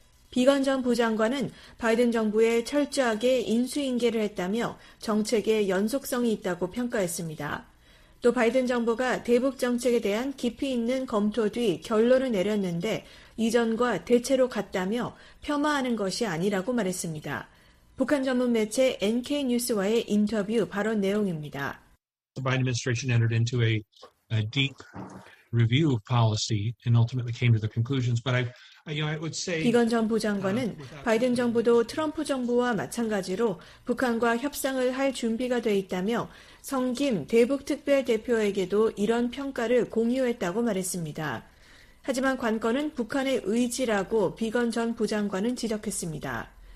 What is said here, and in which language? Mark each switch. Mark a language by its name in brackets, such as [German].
[Korean] 비건 전 부장관은 바이든 정부에 철저하게 인수인계를 했다며 정책에 연속성이 있다고 평가했습니다. 또 바이든 정부가 대북 정책에 대한 깊이 있는 검토 뒤 결론을 내렸는데 이전과 대체로 같다며 폄하하는 것이 아니라고 말했습니다. 북한 전문 매체 NK뉴스와의 인터뷰 발언 내용입니다. [English] The Biden administration entered into a deep review of policy and ultimately came to the conclusions, but I would say [Korean] 비건 전 부장관은 바이든 정부도 트럼프 정부와 마찬가지로 북한과 협상을 할 준비가 돼 있다며 성김 대북특별대표에게도 이런 평가를 공유했다고 말했습니다. 하지만 관건은 북한의 의지라고 비건 전 부장관은 지적했습니다.